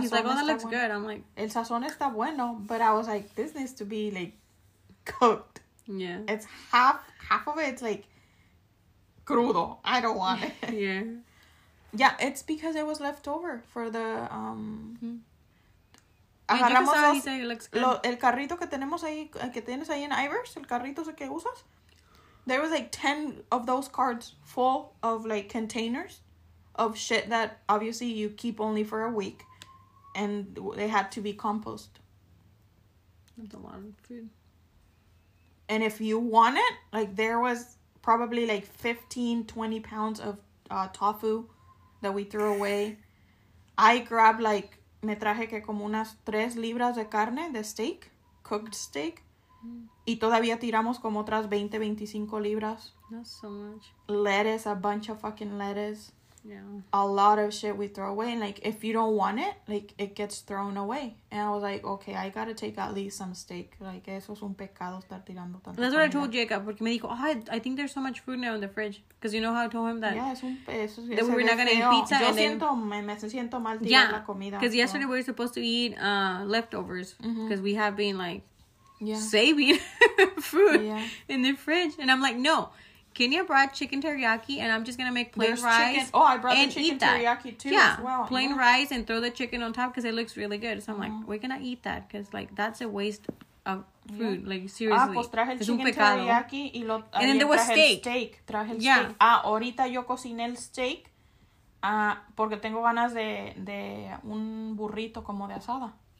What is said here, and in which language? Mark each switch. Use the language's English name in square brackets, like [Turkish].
[English] he's like, oh, that looks bueno. Good. I'm like, [Spanish] el sazón está bueno. [English] But I was like, this needs to be like cooked. Yeah. It's half of it's like crudo. I don't want it. Yeah. Yeah, it's because it was left over for the. [Spanish] Agarramos [English] yeah, he said it looks good. [Spanish] El carrito que tenemos ahí, que tienes ahí en Ivers, el carrito ese que usas. [English] There was like 10 of those carts full of like containers. Of shit that obviously you keep only for a week, and they had to be compost. That's a lot of food. And if you want it, like there was probably like 15-20 pounds of tofu that we threw away. I grabbed like [Spanish] me traje que como unas 3 libras de carne de steak, [English] cooked steak, [Spanish] y todavía tiramos como otras 20-25 libras. [English] That's so much. Lettuce, a bunch of fucking lettuce. Yeah. A lot of shit we throw away. And, like, if you don't want it, like, it gets thrown away. And I was like, okay, I gotta take at least some steak. Like, [Spanish] eso es un pecado estar tirando tanto. [English] That's what I told Jacob. [Spanish] Porque me dijo, [English] I think there's so much food now in the fridge. Because you know how I told him that. [Spanish] Yeah, es un peso. [English] That we're not gonna eat pizza. [Spanish] Yo [English] and [Spanish] siento, [English] then, [Spanish] me siento mal tirar la comida. [English] Because yesterday we were supposed to eat leftovers. Because we have been, like, saving food in the fridge. And I'm like, no. Kenya brought chicken teriyaki, and I'm just going to make plain rice. Oh, I brought the chicken teriyaki, too, yeah, as well. Plain rice and throw the chicken on top because it looks really good. So I'm like, we're going to eat that because, like, that's a waste of food. Yeah. Like, seriously. [Spanish] Pues traje el chicken teriyaki y lo, [English] and then there was [Spanish] steak. Traje el steak. Ahorita yo cociné el steak porque tengo ganas de un burrito como de asada.